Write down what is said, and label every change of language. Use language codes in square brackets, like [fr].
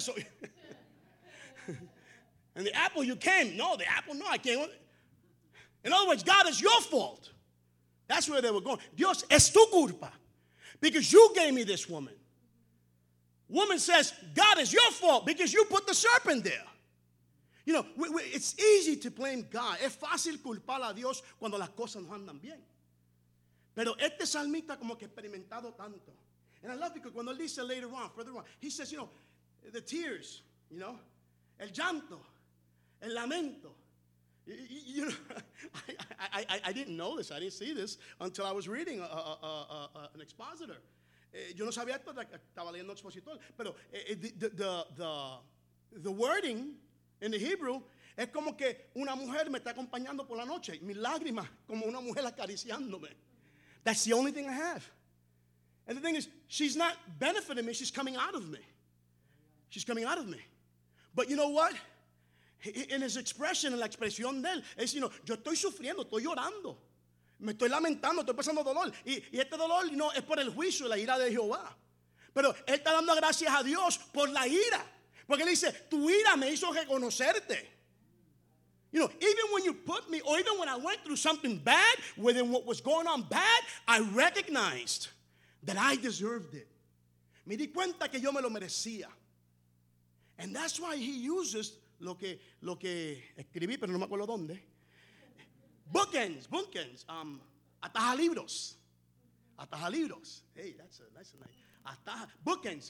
[en] So, and the apple, you came. No, the apple, no, I came. In other words, God, it's your fault. That's where they were going. [es] Dios, es tu culpa. [en] Because you gave me this woman. Woman says, God, is your fault because you put the serpent there. You know, it's easy to blame God. [es] Es fácil culpar a Dios cuando las cosas no andan bien. Pero este salmista como que experimentado tanto. [en] And I love it because [es] cuando él dice [en] later on, further on, he says, you know, the tears, you know, [es] el llanto, el lamento. [en] You know, I didn't know this. I didn't see this until I was reading an expositor. [es] Yo no sabía esto, estaba leyendo expositor, pero [en] the wording in the Hebrew [es] es como que una mujer me está acompañando por la noche, mis lágrimas como una mujer acariciándome. [en] That's the only thing I have. And the thing is, she's not benefiting me, she's coming out of me. She's coming out of me. But you know what? In his expression, [es] en la expresión de él, es, [en] you know, [es] yo estoy sufriendo, estoy llorando. Me estoy lamentando, estoy pasando dolor. Y este dolor no es por el juicio, la ira de Jehová. Pero él está dando gracias a Dios por la ira. Porque él dice, tu ira me hizo reconocerte. [en] You know, even when you put me, or even when I went through something bad, within what was going on bad, I recognized that I deserved it. [es] Me di cuenta que yo me lo merecía. [en] And that's why he uses [es] lo que escribí, pero no me acuerdo dónde. [en] Bookends, atajalibros, atajalibros. Hey, that's a nice. [es] Ataja, bookends.